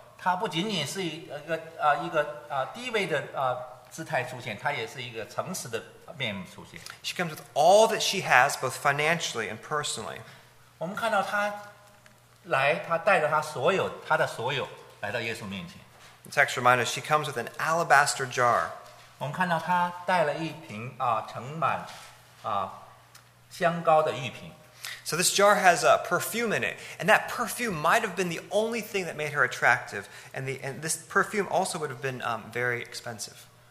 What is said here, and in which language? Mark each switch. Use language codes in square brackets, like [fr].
[zh] 她不仅仅是一个低位的姿态出现，她也是一个诚实的面目出现。 [en] She comes with all that she has, both financially and personally. [zh] 我们看到她来，她带着她所有，她的所有来到耶稣面前。 [en] The text reminds us she comes with an alabaster jar. [zh] 我们看到她带了一瓶盛满香膏的玉瓶。 [en] So this jar has a perfume in it, and that perfume might have been the only thing that made her attractive, and this perfume also would have been very expensive.